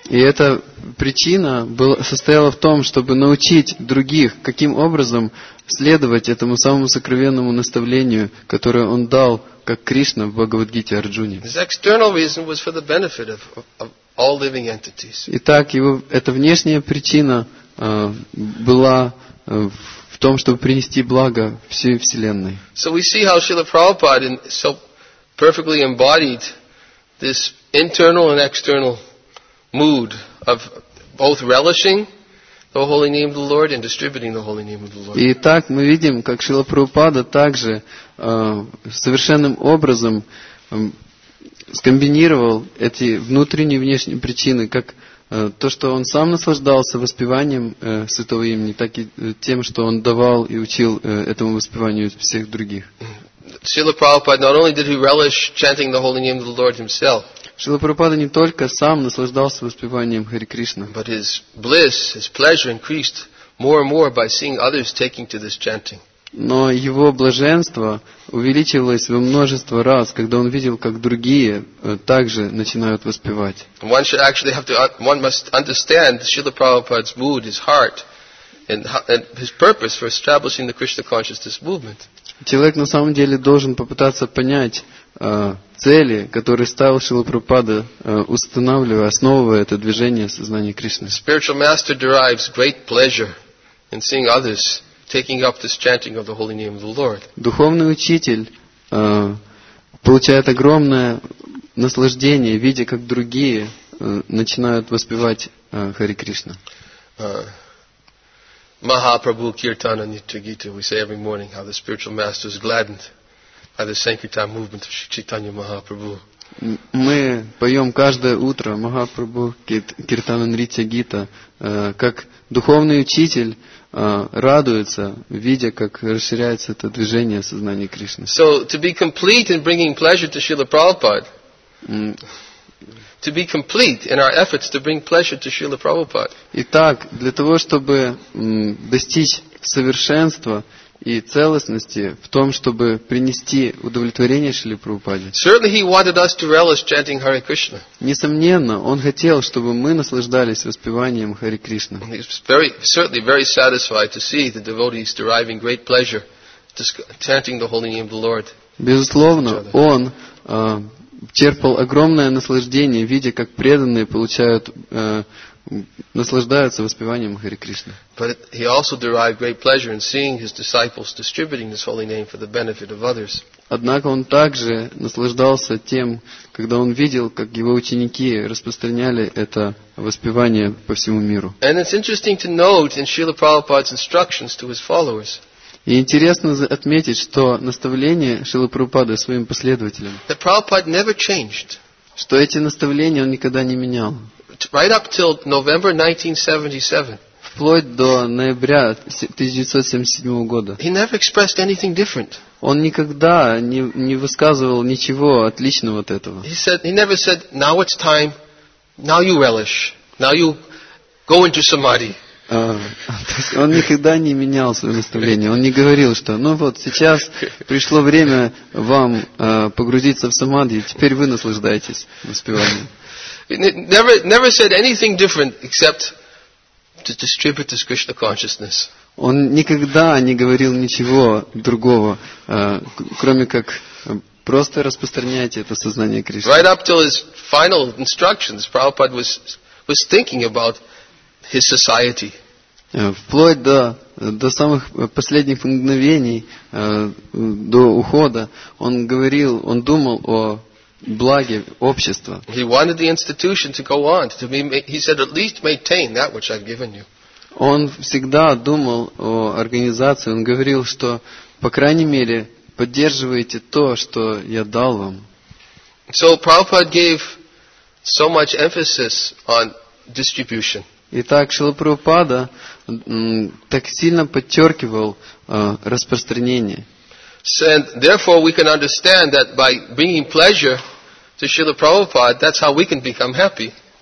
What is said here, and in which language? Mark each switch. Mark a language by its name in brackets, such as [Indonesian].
[Russian] И эта причина состояла в том, чтобы научить других, каким образом следовать этому самому сокровенному наставлению, которое он дал как Кришна в Бхагавад Гите Арджуне. [English] His external reason was for the benefit of all living entities. [Russian] Итак, его эта внешняя причина была в том, чтобы принести благо всей вселенной. [English] So we see how Srila Prabhupada so perfectly embodied this internal and external mood of both relishing the holy name of the Lord and distributing the holy name of the Lord. [Russian] И так мы видим, как Шрила Прабхупада также совершенным образом скомбинировал эти внутренние и внешние причины, как то, что он сам наслаждался воспеванием святого имени, так и тем, что он давал и учил этому воспеванию всех других. [English] Srila Prabhupada not only did he relish chanting the holy name of the Lord himself. [Russian] Srila Prabhupada не только сам наслаждался воспеванием Хари Кришна. [English] But his bliss, his pleasure increased more and more by seeing others taking to this chanting. [Russian] Но его блаженство увеличивалось во множество раз, когда он видел, как другие также начинают воспевать. [English] One should actually have to one must understand Srila Prabhupada's mood, his heart and his purpose for establishing the Krishna consciousness movement. [Russian] Человек на самом деле должен попытаться понять цели, которые ставил Шрила Прабхупада, устанавливая, основывая это движение сознания Кришны. [English] Spiritual master derives great pleasure in seeing others taking up this chanting of the holy name of the Lord. [Russian] Духовный учитель получает огромное наслаждение, видя, как другие начинают воспевать Хари Кришна. [English] Mahaprabhu Kirtana Nitya Gita, we say every morning how the spiritual master is gladdened by the Sankirtan movement of Sri Chaitanya Mahaprabhu. [Russian] Мы поем каждое утро Mahaprabhu Kirtana Nitya Gita, как духовный учитель радуется, видя, как расширяется это движение сознания Кришны. [English] So, to be complete in bringing pleasure to Srila Prabhupada, to be complete in our efforts to bring pleasure to Srila Prabhupada. [Russian] Итак, для того, чтобы достичь совершенства и целостности в том, чтобы принести удовлетворение Шриле Прабхупаде. [English] Certainly he wanted us to relish chanting Hare Krishna. [Russian] Несомненно, он хотел, чтобы мы наслаждались воспеванием Хари Кришны. [English] He was very, certainly very satisfied to see the devotees deriving great pleasure chanting the holy name of the Lord. [Russian] Безусловно, он черпал огромное наслаждение, видя, как преданные получают, наслаждаются воспеванием Хари Кришны. [English] But he also derived great pleasure in seeing his disciples distributing this holy name for the benefit of others. [Russian] Однако он также наслаждался тем, когда он видел, как его ученики распространяли это воспевание по всему миру. [English] And it's interesting to note in Srila Prabhupada's instructions to his followers. [Russian] И интересно отметить, что наставление Шрилы Прабхупады своим последователям, [English] that Prabhupada never changed. [Russian] Что эти наставления он никогда не менял. [English] Right up till November 1977. [Russian] Вплоть до ноября 1977 года. [English] He never expressed anything different. [Russian] Он никогда не высказывал ничего отличного от этого. [English] He said, he never said, now it's time, now you relish, now you go into samadhi. [Russian] То есть он никогда не менял свое наставление. Он не говорил, что ну вот сейчас пришло время вам погрузиться в самадхи, теперь вы наслаждаетесь воспеванием. [English] Never said anything different except to distribute this Krishna consciousness. [Russian] Он никогда не говорил ничего другого, кроме как просто распространяйте это сознание Кришны. [English] Right up till his final instructions, Prabhupada was thinking about his society. [Russian] Вплоть до самых последних мгновений до ухода он говорил, он думал о благе общества. [English] He wanted the institution to go on, to be, he said, at least maintain that which I've given you. [Russian] Он всегда думал о организации, он говорил, что по крайней мере поддерживайте то, что я дал вам. [English] So Prabhupada gave so much emphasis on distribution. [Russian] Итак, Шрила Прабхупада так сильно подчеркивал распространение. [English] And therefore, we can understand that by bringing pleasure to Srila Prabhupada, that's how we can become happy.